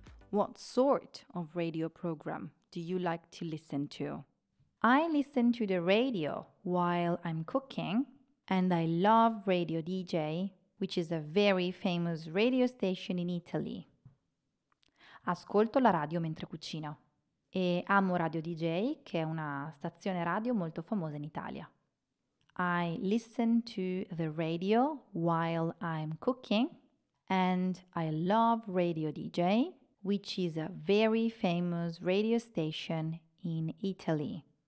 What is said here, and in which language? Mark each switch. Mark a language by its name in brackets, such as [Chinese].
[English] What sort of radio program do you like to listen to? I listen to the radio while I'm cooking and I love Radio DJ, which is a very famous radio station in Italy. [Italian] Ascolto la radio mentre cucino e amo Radio DJ, che è una stazione radio molto famosa in Italia. [English] I listen to the radio while I'm cooking and I love Radio DJ, which is a very famous radio station in Italy.